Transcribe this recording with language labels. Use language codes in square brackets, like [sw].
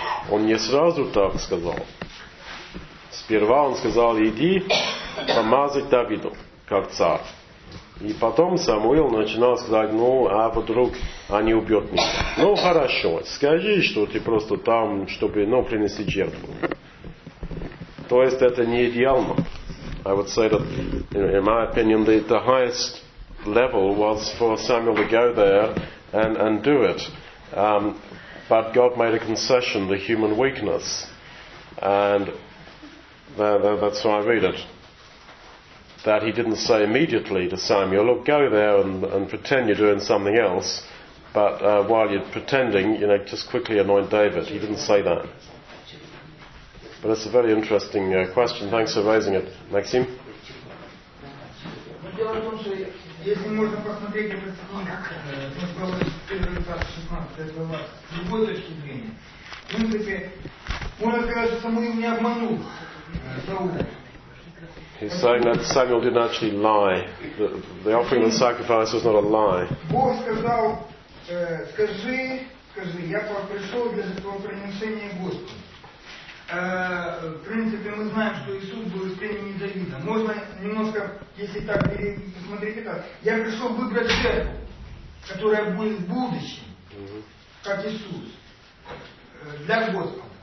[ru] Он не сразу так сказал. Сперва он сказал, иди помазать Давиду, как царь. И потом Самуил начинал сказать, вдруг они убьют меня. Хорошо, скажи, что ты просто там, чтобы, принести жертву. То есть это не идеально. [en] I would say that, in my opinion, the highest level was for Samuel to go there and do it. But God made a concession, the human weakness. And that's how I read it. That he didn't say immediately to Samuel, look, go there and pretend you're doing something else. But while you're pretending, you know, just quickly anoint David. He didn't say that. But it's a very interesting question. Thanks for raising it, Maxim. [ru] Если можно посмотреть этот снимок, мы проводим 16 глава с другой точки зрения. В принципе, можно сказать, что Самуил не обманул Саула. [en] He's saying that Samuel didn't actually lie. The offering of the sacrifice was not a lie. [ru] Бог сказал, скажи, я пришел для жертвоприношения Господу. В принципе, мы знаем, что Иисус был из племени Давида. Можно немножко, если так посмотреть, это, я пришел выбрать жертву, которая будет в будущем, как Иисус, для Господа.